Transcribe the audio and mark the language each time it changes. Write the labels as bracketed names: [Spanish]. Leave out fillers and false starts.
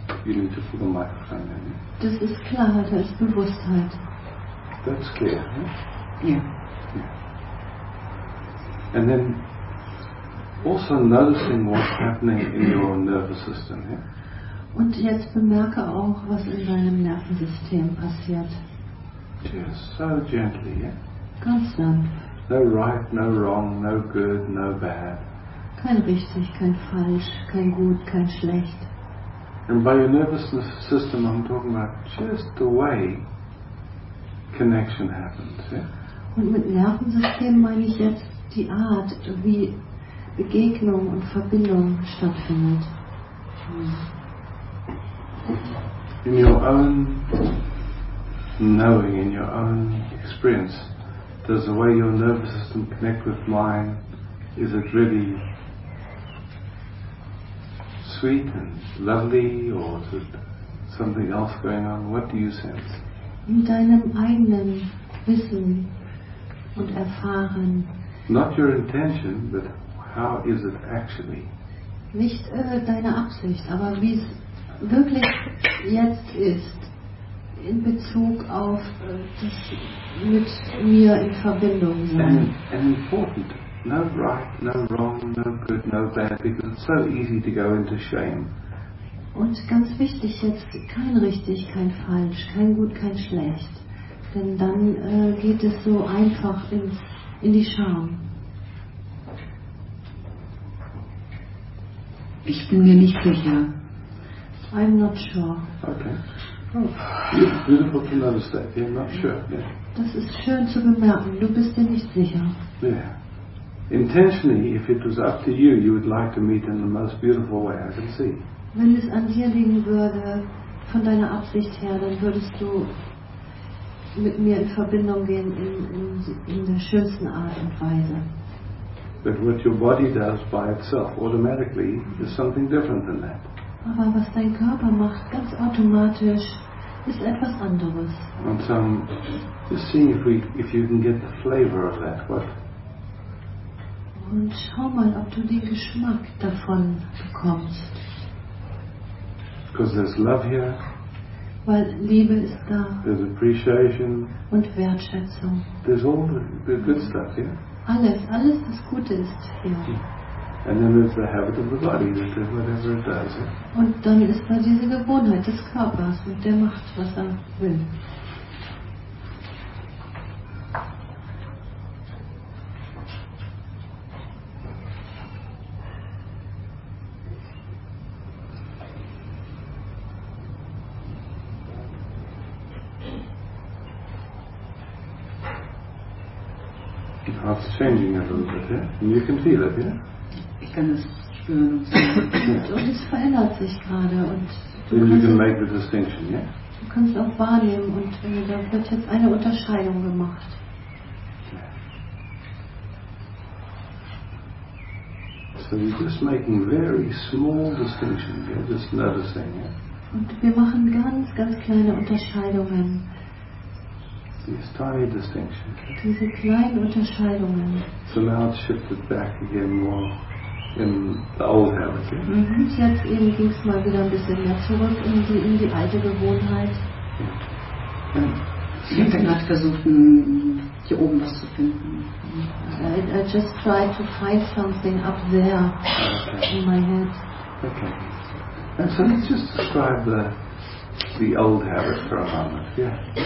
[English] You need to put a microphone in here. [German] Das ist klar, da ist Bewusstheit. [English] That's clear, yeah? Yeah. And then also noticing what's happening in your nervous system, yeah? [German] Und jetzt bemerke auch, was in deinem Nervensystem passiert. [English] Just so gently, yeah? [German] Ganz sanft. [English] No right, no wrong, no good, no bad. [German] Kein richtig, kein falsch, kein gut, kein schlecht. [English] And by your nervous system I'm talking about just the way connection happens, yeah? [German] Und mit Nervensystem meine ich jetzt die Art, wie Begegnung und Verbindung stattfindet. [English] In your own knowing, in your own experience, does the way your nervous system connect with mine, is it really sweet and lovely, or is it something else going on? What do you sense? [German] In deinem eigenen Wissen und Erfahren. [English] Not your intention, but how is it actually? [German] Nicht deine Absicht, aber wie es wirklich jetzt ist, in Bezug auf das mit mir in Verbindung sein. [English] And important, no right, no wrong, no good, no bad, because it's so easy to go into shame. [German] Und ganz wichtig jetzt, kein richtig, kein falsch, kein gut, kein schlecht. Denn dann geht es so einfach in die Scham. Ich bin mir nicht sicher. [English] I'm not sure. Okay. Oh. Beautiful to notice that. You're not sure. Yeah. [German] Das ist schön zu bemerken. Du bist dir nicht sicher. [English] Yeah. Intentionally, if it was up to you, you would like to meet in the most beautiful way I can see. [German] Wenn es an dir liegen würde, von deiner Absicht her, dann würdest du mit mir in Verbindung gehen in der schönsten Art und Weise. [English] But what your body does by itself, automatically, is something different than that. [German] Aber was dein Körper macht, ganz automatisch, ist etwas anderes. [English] And so, just seeing if you can get the flavor of that, what? [German] Und schau mal, ob du den Geschmack davon bekommst. [English] Because there's love here. [German] Weil Liebe ist da. [English] There's appreciation. [German] Und Wertschätzung. [English] There's all the good stuff here. [German] Alles, was Gute ist hier. [English] And then there's the habit of the body, whatever it does. Yeah? [German] Und dann ist da diese Gewohnheit des Körpers und der macht, was will. [English] It's changing a little bit, yeah? And you can feel it, yeah? [German] Ich kann es spüren und es verändert sich gerade. [English] Then you can make the distinction, yeah? [German] Du kannst auch wahrnehmen und da wird jetzt eine Unterscheidung gemacht. [English] It's So you're just making very small distinctions, you're just noticing it. [German] Und wir machen ganz, ganz kleine Unterscheidungen. [English] These tiny distinctions. [German] Diese kleinen Unterscheidungen. [English] So now it's shifted back again more in the old habit. Mm-hmm. [German] Jetzt eben ging es mal wieder ein bisschen mehr zurück in die alte Gewohnheit. Ich habe gerade versucht, hier oben was zu finden. [English] I just tried to find something up there in my head. Okay. And so let's just describe the old habit for a moment. Yeah.